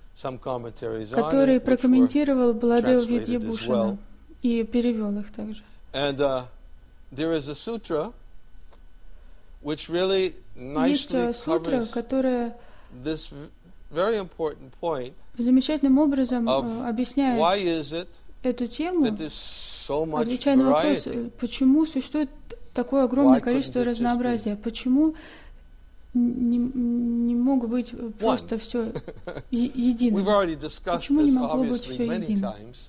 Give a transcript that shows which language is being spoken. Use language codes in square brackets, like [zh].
[ru] который прокомментировал Баладева Видьябхушана и перевел их также. [en] And, there is a sutra, which really nicely sutra, covers this very important point [ru] замечательным образом объясняет [en] why is it [ru] эту тему, [en] that there's so much [ru] отвечая на вопрос, почему существует такое огромное количество разнообразия, почему не мог быть просто все единым, почему не могло быть все единым.